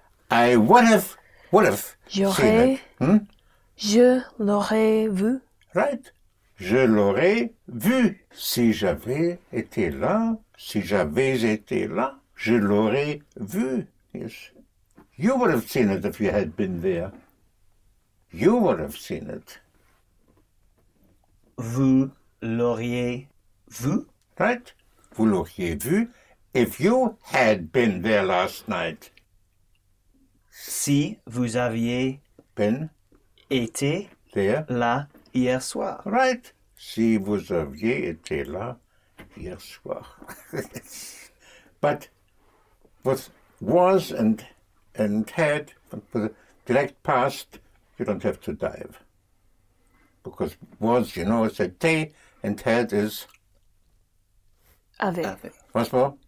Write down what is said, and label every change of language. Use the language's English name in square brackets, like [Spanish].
[English] I would have [French] j'aurais, [English] seen it. [French] Hmm? Je l'aurais vu. [English] Right. [French] Je l'aurais vu. Si j'avais été là, si j'avais été là, je l'aurais vu. [English] Yes. You would have seen it if you had been there. You would have seen it. [French] Vous l'auriez vu. [English] Right. [French] Vous l'auriez vu [English] if you had been there last night. [French] Si vous aviez [English] been [French] été [English] there [French] là hier soir. [English] Right. [French] Si vous aviez été là hier soir. [English] But with was and had, for the direct past, you don't have to dive. Because was, you know, is été, and had is... Ave. Once more?